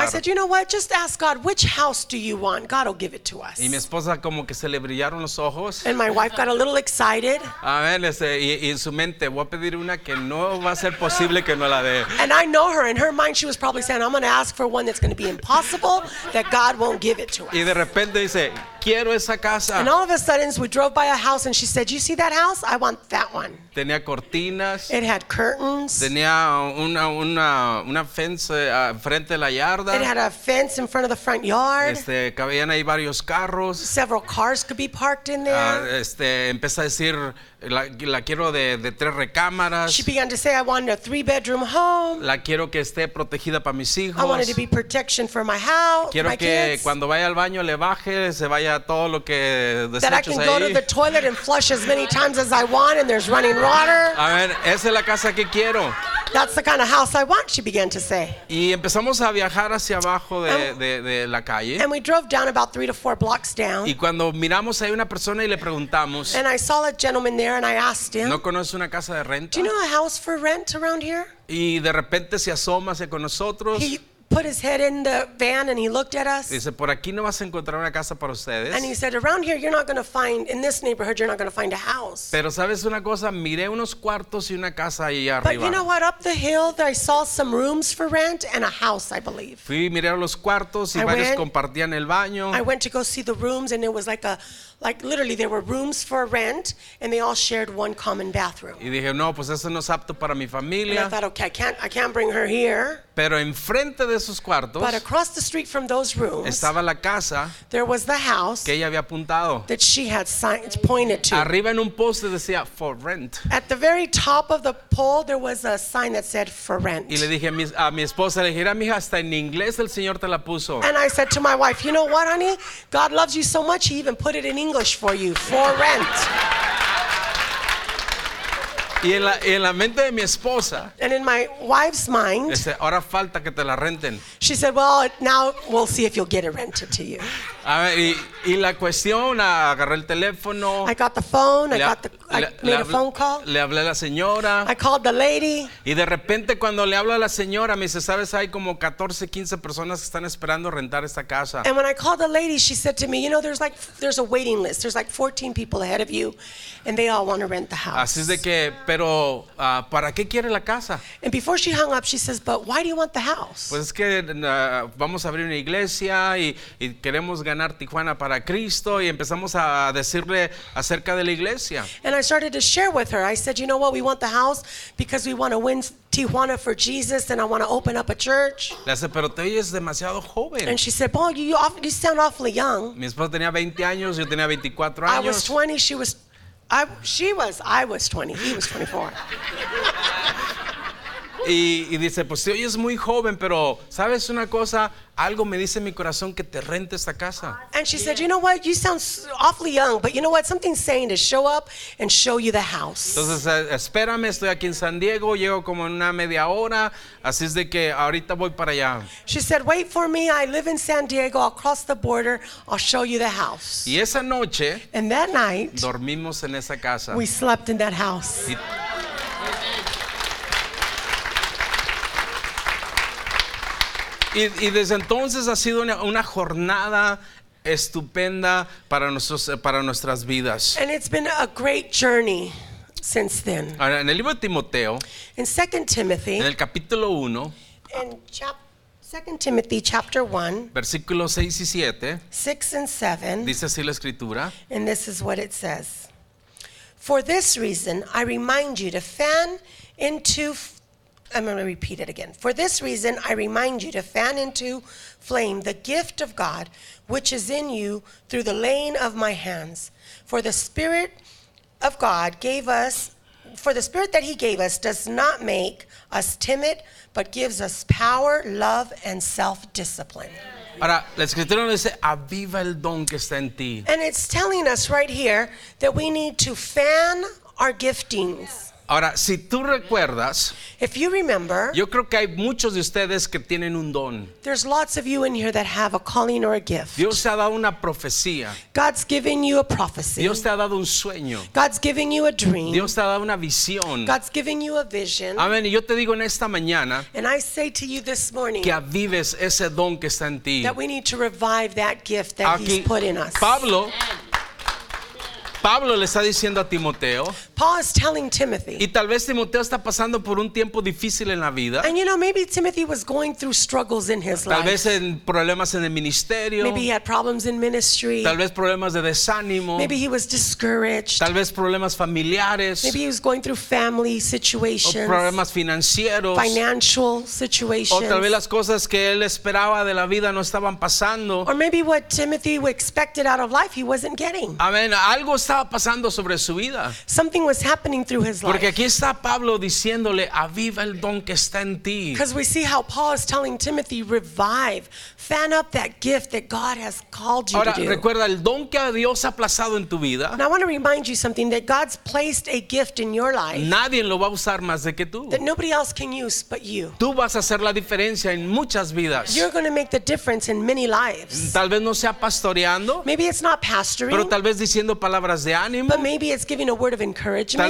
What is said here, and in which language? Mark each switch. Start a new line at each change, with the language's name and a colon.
English: I said, you know what? Just ask God, which house do you want? God will give it to us.
Spanish: Y mi esposa como que se le brillaron los ojos.
English: And my wife got a little excited.
Spanish: Amén. Y en su mente, voy a pedir una que no va a ser posible que no la dé.
English: And I know her. In her mind, she was probably saying, I'm going to ask for one that's going to be impossible that God won't give it to us.
Spanish: Y de repente dice, quiero esa casa.
English: And all of a sudden we drove by a house and she said, you see that house? I want that one.
Spanish: Tenía cortinas.
English: It had curtains.
Spanish: Tenía una fence frente a la yarda.
English: It had a fence in front of the front yard.
Spanish: Cabían ahí varios carros.
English: Several cars could be parked in there.
Spanish: Empezó a decir, la quiero de tres recámaras.
English: She began to say, I want a 3-bedroom home.
Spanish: La quiero que esté protegida para mis hijos.
English: I wanted to be protection for my house.
Spanish: Quiero
English: my
Spanish: que
English: kids.
Spanish: Cuando vaya al baño le baje, se vaya todo lo que desechos
English: ahí. That I can
Spanish: ahí.
English: Go to the toilet and flush as many times as I want and there's running water.
Spanish: A ver, esa es la casa que quiero.
English: That's the kind of house I want, she began to say.
Spanish: Y empezamos a viajar hacia abajo de la calle.
English: And we drove down about 3 to 4 blocks down.
Spanish: Y cuando miramos ahí una persona y le preguntamos.
English: And I saw a gentleman there and I asked him.
Spanish: ¿No conoces una casa de renta?
English: Do you know a house for rent around here?
Spanish: Y de repente se asoma hacia con nosotros.
English: He put his head in the van and he looked at us.
Spanish: Dice, por aquí no vas a encontrar una casa para ustedes.
English: And he said, around here you're not going to find, in this neighborhood you're not going to find a house.
Spanish: Pero sabes una cosa, miré unos cuartos y una casa ahí arriba.
English: But you know what, up the hill I saw some rooms for rent and a house, I believe.
Spanish: Fui, miré los cuartos y varios compartían el baño.
English: I went to go see the rooms and it was like literally there were rooms for rent and they all shared one common bathroom.
Spanish: Y dije, no, pues eso no es apto para mi familia.
English: And I thought, okay, I can't bring her here.
Spanish: Pero enfrente de esos cuartos,
English: but across the street from those rooms,
Spanish: estaba la casa,
English: there was the house
Spanish: que ella había apuntado,
English: that she had signed, pointed to.
Spanish: Arriba en un poste decía,
English: for rent. At the very top of the pole, there was a sign that said, for rent.
Spanish: Y le dije a mi esposa, le dije, mira, mija, hasta en inglés el Señor te la puso.
English: And I said to my wife, you know what, honey? God loves you so much, he even put it in English for you, for rent.
Spanish: Y en la mente de mi esposa.
English: And in my wife's mind.
Spanish: Dice, ahora falta que te la renten.
English: She said, "Well, now we'll see if you'll get it rented to you."
Spanish: Y la cuestión, agarré el teléfono.
English: I got the phone. I made a phone call.
Spanish: Le hablé a la señora.
English: I called the lady.
Spanish: Y de repente cuando le hablo a la señora, me dice, "Sabes, hay como 14, 15 personas que están esperando rentar esta casa."
English: And when I called the lady, she said to me, "You know, there's a waiting list. There's like 14 people ahead of you, and they all want to rent the house."
Spanish: Así es de que, pero ¿para qué quiere la casa?
English: And before she hung up, she says, "But why do you want the house?"
Spanish: Pues es que vamos a abrir una iglesia y queremos ganar Tijuana para Cristo y empezamos a decirle acerca de la iglesia.
English: And I started to share with her. I said, "You know what? We want the house because we want to win Tijuana for Jesus, and I want to open up a church."
Spanish: Le dice, "Pero te oyes demasiado joven."
English: And she said, "Paul, you sound awfully young."
Spanish: Mi esposa tenía 20 años, yo tenía 24 años.
English: I was 20. I was 20. He was 24.
Spanish: Y dice, "Pues te oyes muy joven, pero sabes una cosa, algo me dice en mi corazón que te rente esta casa."
English: And she said, "You know what? You sound awfully young, but you know what? Something's saying to show up and show you the house."
Spanish: Entonces, espérame, estoy aquí en San Diego, llego como en una media hora, así es de que ahorita voy para allá.
English: She said, "Wait for me. I live in San Diego. I'll cross the border. I'll show you the house."
Spanish: Y esa noche,
English: and that night,
Spanish: dormimos en esa casa.
English: We slept in that house.
Spanish: Y desde entonces ha sido una jornada estupenda para nuestras vidas.
English: And it's been a great journey since then.
Spanish: Ahora, en el libro de Timoteo,
English: in 2 Timothy,
Spanish: en el capítulo 1,
English: in 2 Timothy chapter 1,
Spanish: versículos 6 y 7,
English: 6 and 7,
Spanish: dice así la escritura.
English: And this is what it says. "For this reason, I remind you to fan into..." I'm going to repeat it again. "For this reason, I remind you to fan into flame the gift of God, which is in you through the laying of my hands. For the Spirit of God gave us, for the Spirit that He gave us does not make us timid, but gives us power, love, and self-discipline."
Spanish: Ahora, la escritura nos dice, "Aviva el don que está en ti."
English: And it's telling us right here that we need to fan our giftings.
Spanish: Ahora, si tú recuerdas,
English: if you remember,
Spanish: yo creo que hay muchos de ustedes que tienen un don.
English: There's lots of you in here that have a calling or a gift.
Spanish: Dios te ha dado una profecía.
English: God's giving you a prophecy.
Spanish: Dios te ha dado un sueño.
English: God's giving you a dream.
Spanish: Dios te ha dado una visión.
English: God's giving you a vision.
Spanish: Amén. Y yo te digo en esta mañana,
English: and I say to you this morning,
Spanish: que avives ese don que está en ti.
English: That we need to revive that gift that
Spanish: aquí,
English: He's put in us.
Spanish: Pablo. Pablo le está diciendo a Timoteo.
English: Paul is telling Timothy.
Spanish: Y tal vez Timoteo está pasando por un tiempo difícil en la vida.
English: And you know, maybe Timothy was going through struggles in his life.
Spanish: Tal vez en problemas en el ministerio.
English: Maybe he had problems in ministry.
Spanish: Tal vez problemas de desánimo.
English: Maybe he was discouraged.
Spanish: Tal vez problemas familiares.
English: Maybe he was going through family situations.
Spanish: O problemas financieros.
English: Financial situations.
Spanish: O tal vez las cosas que él esperaba de la vida no estaban pasando.
English: Or maybe what Timothy expected out of life he wasn't getting.
Spanish: Amén. Algo estaba pasando sobre su vida.
English: Something was happening through his life.
Spanish: Porque aquí está Pablo diciéndole, "Aviva el don que está en ti."
English: Because we see how Paul is telling Timothy, revive, fan up that gift that God has called you
Spanish: ahora,
English: to do.
Spanish: Ahora recuerda el don que Dios ha plasado en tu vida.
English: Now I want to remind you something, that God's placed a gift in your life.
Spanish: Nadie lo va a usar más de que tú.
English: That nobody else can use but you.
Spanish: Tú vas a hacer la diferencia en muchas vidas.
English: You're going to make the difference in many lives.
Spanish: Tal vez no sea pastoreando.
English: Maybe it's not pastoring.
Spanish: Pero tal vez diciendo palabras.
English: But maybe it's giving a word of encouragement.